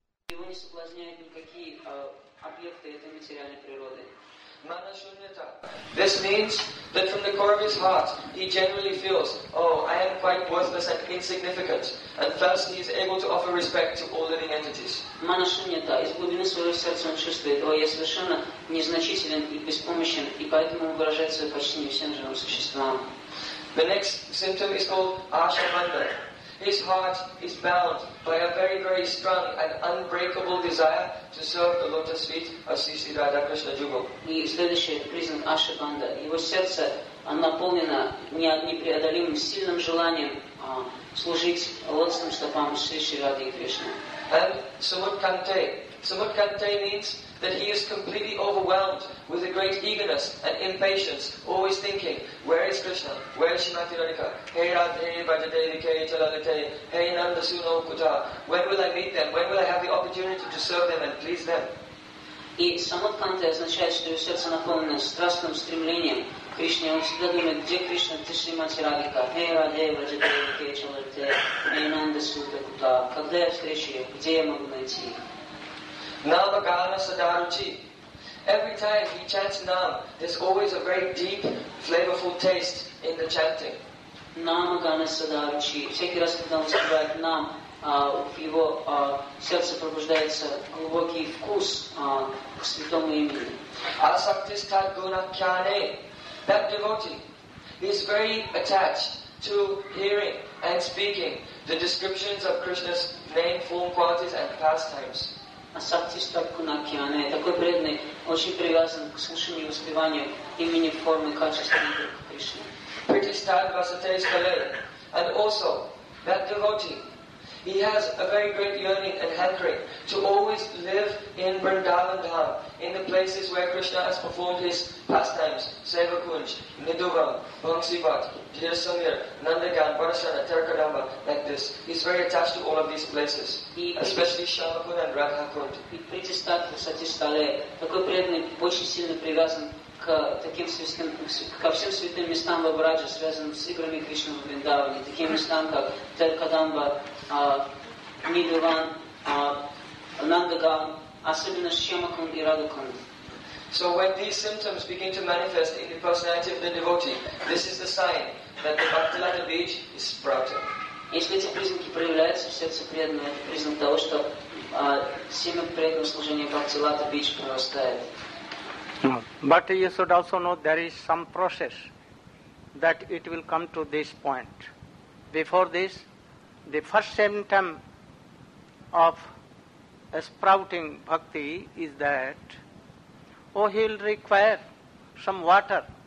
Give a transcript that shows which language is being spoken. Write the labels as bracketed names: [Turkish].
[Russian] его не соблазняют никакие объекты этой материальной природы. [Sanskrit] Manashunyata. [English] This means that from the core of his heart, he genuinely feels, oh, I am quite worthless and insignificant, and thus he is able to offer respect to all living entities. [Sanskrit] Manashunyata. [Russian] Из глубины своего сердца он чувствует, о, я совершенно незначителен и беспомощен, и поэтому он выражает свое почтение всем живым существам. [English] The next symptom is called Ashabandha. His heart is bound by a very, very strong and unbreakable desire to serve the lotus feet of Sri Sri Radha Krishna Jugal. [Russian] И следующий признак Ашабанда. Его сердце наполнено непреодолимым сильным желанием служить лотосным стопам Sri Sri Radha Krishna. [English] And Sumutkante. Sumutkante means that he is completely overwhelmed with a great eagerness and impatience, always thinking, where is Krishna? Where is Srimati Radhika? [Sanskrit] Hey Radhe, Bhajade, Vike, Chalalite, Hey Nanda, Suno, Kuta. [English] When will I meet them? When will I have the opportunity to serve them and please them? [Russian] И Samutkante означает, что его сердце наполнено страстным стремлением к Кришне. Он всегда думает, где Кришна, где Шримати Радика? [Sanskrit] Hey Radhe, Bhajade, Vike, Chalalite, Hey Nanda, Suno, Kuta. [Russian] Когда я встречу ее? Где я могу найти ее? [Sanskrit] Nava Gana Sadaruchi. [English] Every time he chants Naam, there's always a very deep, flavorful taste in the chanting. [Sanskrit] Naam ganasya daruchi. [Russian] Всякий раз, когда он вспоминает Naam, в его сердце пробуждается глубокий вкус к святому имени. [Sanskrit] Asaktista guna kyane. [English] That devotee, he is very attached to hearing and speaking the descriptions of Krishna's name, form, qualities and pastimes. [Sanskrit] Asaktista guna kyane. [Russian] Такой преданный очень привязан к слушанию и воспеванию имени, формы, качества и духа Кришны. [Sanskrit] Pritishtad vasate skale. [English] And also, that devotee, he has a very great yearning and hankering to always live in Vrindavan Dham, in the places where Krishna has performed his pastimes, Seva Kunj, Niduvam, Bhangsivat, Jirasamir, Nandagan, Varasana, Terkadamba, like this. He's very attached to all of these places, especially Shavakund and Radha Kund. [Russian] И притистат в сатистале, такой преданный, очень сильно привязан к таким святым, ко всем святым местам в Абрадже, связанным с играми Кришны в Вриндаване, таким местам, как Теркадамба, Нидуван, Нандагам, особенно Шьямакун и Радакун. [English] So when these symptoms begin to manifest in the personality of the devotee, this is the sign that the Bhaktilata Beach is sprouting. [Russian] Если эти признаки проявляются в сердце преданного, это признак того, что семя преданного служения Бхактилата Бич прорастает. [English] But you should also know there is some process that it will come to this point. Before this, the first symptom of sprouting bhakti is that, oh, he will require some water.